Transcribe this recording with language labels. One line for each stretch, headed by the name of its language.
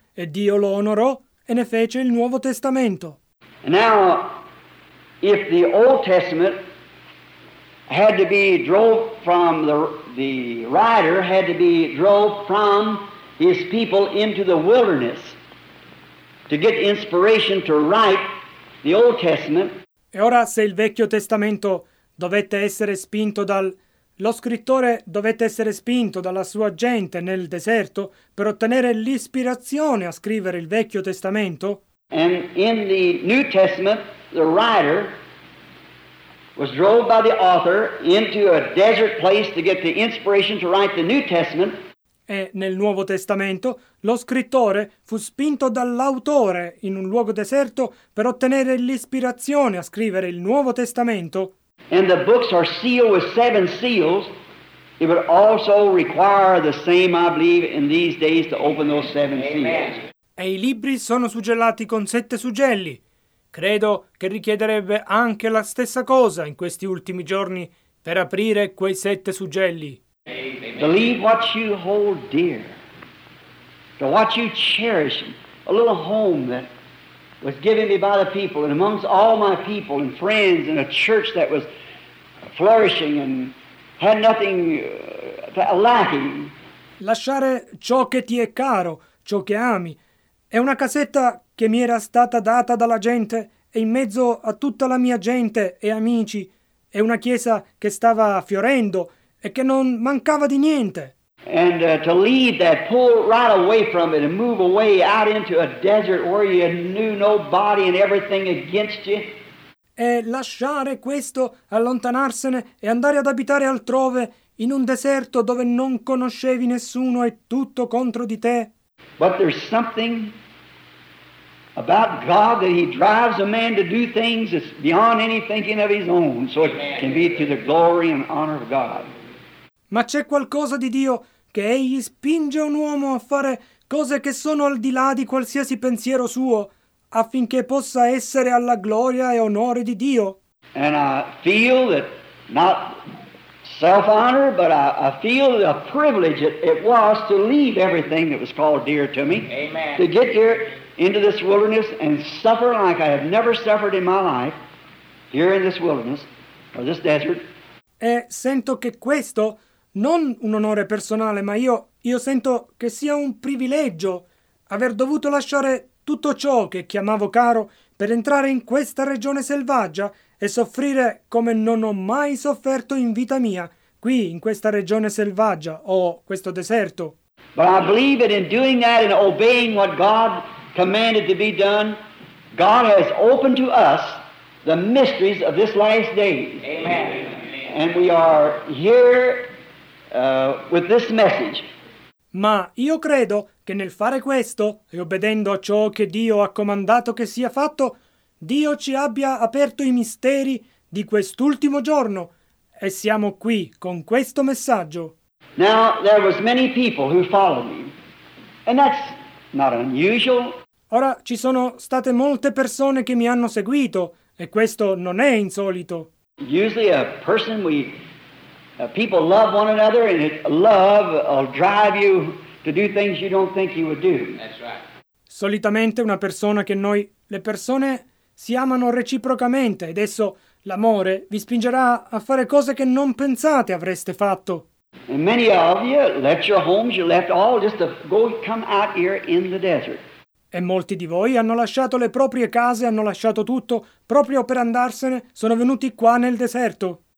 Italian: E Dio lo onorò e ne fece il Nuovo Testamento.
English: Now, if the Old Testament had to be drove from the writer, had to be drove from his people into the wilderness to get inspiration to write the Old Testament.
Italian: E ora, se il Vecchio Testamento dovette essere spinto dal... lo scrittore dovette essere spinto dalla sua gente nel deserto per ottenere l'ispirazione a scrivere il Vecchio Testamento.
English: And in the New Testament, the writer was drove by the author into a desert place to get the inspiration to write the New Testament.
Italian: E nel Nuovo Testamento lo scrittore fu spinto dall'autore in un luogo deserto per ottenere l'ispirazione a scrivere il Nuovo Testamento.
English: And the books are sealed with 7 seals. It would also require the same, I believe, in these days to open those 7 seals.
Italian: E i libri sono suggellati con 7 sugelli. Credo che richiederebbe anche la stessa cosa in questi ultimi giorni per aprire quei 7 sugelli.
English: Believe what you hold dear, to what you cherish, a little home that was given me by the people, and amongst all my people and friends, and a church that was flourishing and had nothing lacking.
Italian: Lasciare ciò che ti è caro, ciò che ami, è una casetta che mi era stata data dalla gente, e in mezzo a tutta la mia gente e amici, è una chiesa che stava fiorendo e che non mancava di niente.
English: And to leave that, pull right away from it and move away out into a desert where you knew nobody and everything against you.
Italian: E lasciare questo, allontanarsene e andare ad abitare altrove, in un deserto dove non conoscevi nessuno e tutto contro di te.
English: But there's something about God that he drives a man to do things that's beyond any thinking of his own, so it can be to the glory and honor of God.
Italian: Ma c'è qualcosa di Dio che egli spinge un uomo a fare cose che sono al di là di qualsiasi pensiero suo, affinché possa essere alla gloria e onore di Dio.
English: And I feel that not self-honor, but I feel the privilege it was to leave everything that was called dear to me. Amen. To get here into this wilderness and suffer like I have never suffered in my life here in this wilderness or this desert.
Italian: E sento che questo non un onore personale, ma io sento che sia un privilegio aver dovuto lasciare tutto ciò che chiamavo caro per entrare in questa regione selvaggia e soffrire come non ho mai sofferto in vita mia, qui in questa regione selvaggia o questo deserto.
English: But I believe that in doing that and obeying what God commanded to be done, God has opened to us the mysteries of this last day. Amen. And we are here with this message.
Italian: Ma io credo che nel fare questo e obbedendo a ciò che Dio ha comandato che sia fatto, Dio ci abbia aperto i misteri di quest'ultimo giorno e siamo qui con questo messaggio.
English: Now there was many people who followed me, and that's not unusual.
Italian: Ora ci sono state molte persone che mi hanno seguito E questo non è insolito.
English: Usually a person we people love one another, and it, love will drive you to do things you don't think you would do. That's right.
Italian: Solitamente una persona che noi le persone si amano reciprocamente, ed esso l'amore vi spingerà a fare cose che non pensate avreste fatto.
English: And many of you left your homes, you left all just to go come out here in the desert.
Italian: E molti di voi hanno lasciato le proprie case, hanno lasciato tutto proprio per andarsene, sono venuti qua nel deserto.